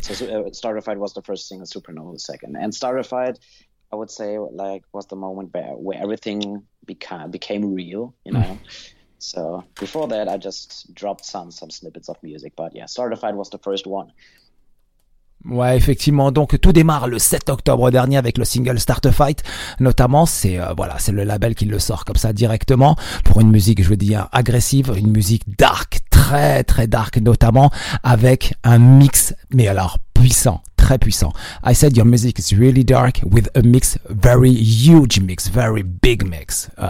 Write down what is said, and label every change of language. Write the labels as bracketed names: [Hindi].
[English] So Start to Fight was the first single. Supernova the second. And Start to Fight, I would say, like, was the moment where everything became real. You know. So before that, I just dropped some snippets of music. But yeah, Start to Fight was the first one. [French] Ouais, effectivement. Donc tout démarre le 7 octobre dernier avec le single Start a Fight. Notamment, c'est le label qui le sort comme ça directement pour une musique, je veux dire, agressive, une musique dark, très très dark, notamment avec un mix, mais alors puissant, très puissant. [English] I said your music is really dark with a mix, very huge mix, very big mix.